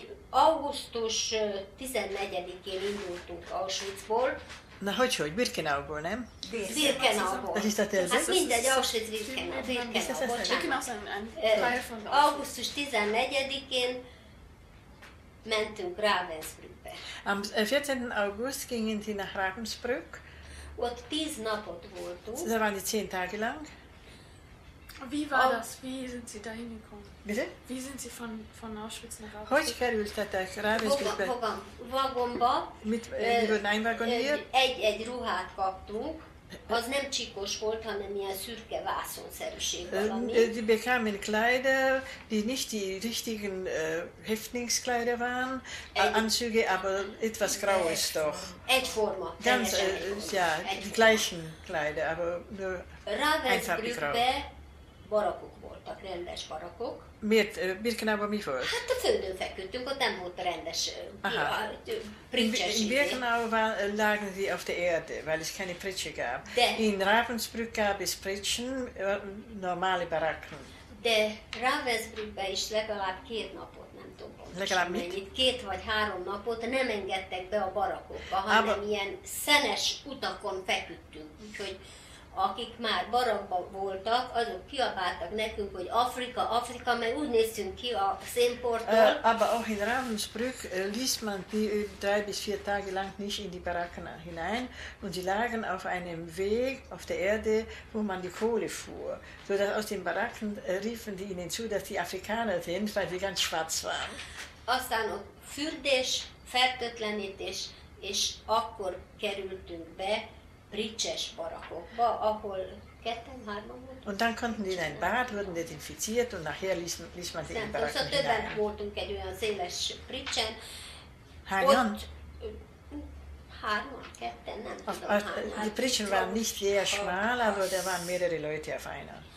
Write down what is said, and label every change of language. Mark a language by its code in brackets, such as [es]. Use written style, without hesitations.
[hu] Augusztus 14-én indultunk Auschwitzból. Na hogy? Birkenauból, nem? Birkenauból. Ez is a terve? Hát mindegy, Auschwitz-Birkenau, bocsánat. Augusztus 14-én mentünk Ravensbrückbe. [de] Am 14. August gingen sie nach Ravensbrück. [hu] Ott 10 napot voltunk. [de] Da waren die 10 Tage lang. Wie war das? Wie sind Sie dahin gekommen? Bitte? Wie sind Sie von Auschwitz nach Auschwitz? [hu] Hogy kerültetek Ravensbrückbe? Vagomba. [de] Mit wurden einwagoniert? [hu] Egy ruhát kaptunk. Az nem csíkos volt, hanem ilyen szürke vászonszerűség valami. [de] Die bekamen Kleider, die nicht die richtigen Häftlingskleider waren, Anzüge, aber etwas graues doch. [hu] Egyforma. [de] Ganz, ja, die gleichen Kleider, aber nur einfarbig grau. [hu] Barakok voltak, rendes barakok. Miért? Birkenauban mi volt? Hát a földön feküdtünk, ott nem volt rendes pricses. [de] In Birkenauban lagen sie auf der Erde, weil es keine Pritsche gab. De, in Ravensbrück gab es Pritschen, normale barakken. [hu] De Ravensbrückben is legalább 2 napot, nem tudom. Legalább mit? Mennyit, 2 vagy 3 napot nem engedtek be a barakokba, hanem aber... ilyen szenes utakon feküdtünk. Úgyhogy akik már barakban voltak, azok kiabáltak nekünk, hogy Afrika, Afrika, mert úgy néztünk ki a szénporttól. [de] Aber auch in Ravensbrück ließ man die 3 bis 4 Tage lang nicht in die Baracken hinein, und sie lagen auf einem Weg auf der Erde, wo man die Kohle fuhr. So dass aus den Baracken riefen die ihnen zu, dass die Afrikaner sind, weil sie ganz schwarz waren. [hu] Aztán ott fürdés, fertőtlenítés, és akkor kerültünk be, Pricses barakokba, ahol Ketten, hárman voltunk. [de] Und dann konnten die in ein Bad, wurden desinfiziert und nachher ließ man sie im Barack hinein. [hu] Többen voltunk egy olyan széles pricsen. Hányan? Hárman, ketten, nem tudom. [de] Die pricsen waren nicht sehr schmal, aber da waren mehrere Leute auf einer.